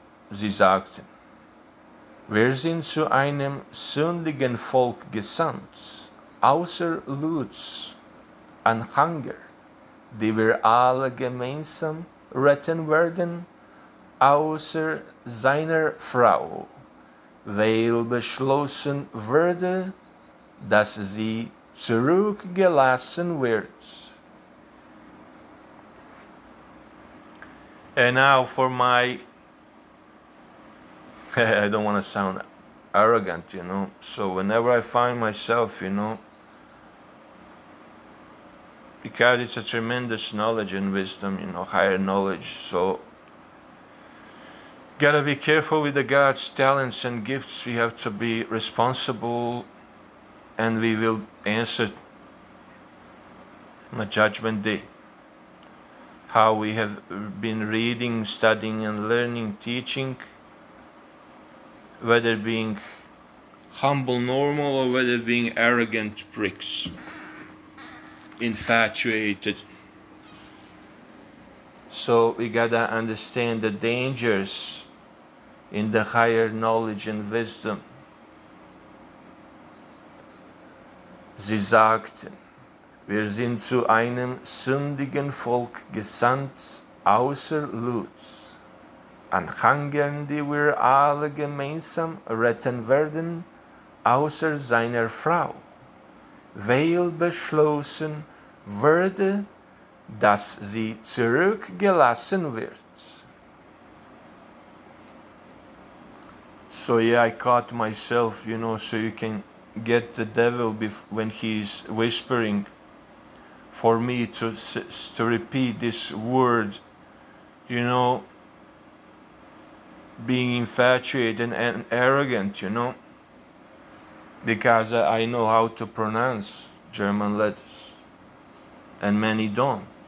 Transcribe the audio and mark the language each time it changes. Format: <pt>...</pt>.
<de>Sie sagten, wir sind zu einem sündigen Volk gesandt, außer Luts und Hunger, die wir alle gemeinsam retten werden, außer seiner Frau, weil beschlossen würde, dass sie zurückgelassen wird.</de> <en>And now for my, I don't want to sound arrogant, you know, so whenever I find myself, you know, because it's a tremendous knowledge and wisdom, you know, higher knowledge, so gotta be careful with the God's talents and gifts. We have to be responsible and we will answer on the judgment day. How we have been reading, studying and learning, teaching, whether being humble, normal, or whether being arrogant pricks, infatuated. So we gotta understand the dangers in the higher knowledge and wisdom.</en> <de>Sie sagten, wir sind zu einem sündigen Volk gesandt, außer Luts, an Hangern, die wir alle gemeinsam retten werden, außer seiner Frau, weil beschlossen würde, dass sie zurückgelassen wird.</de> <en>So yeah, I caught myself, you know, so you can get the devil when he's whispering for me to repeat this word, you know, being infatuated and arrogant, you know, because I know how to pronounce German letters and many don't.</en>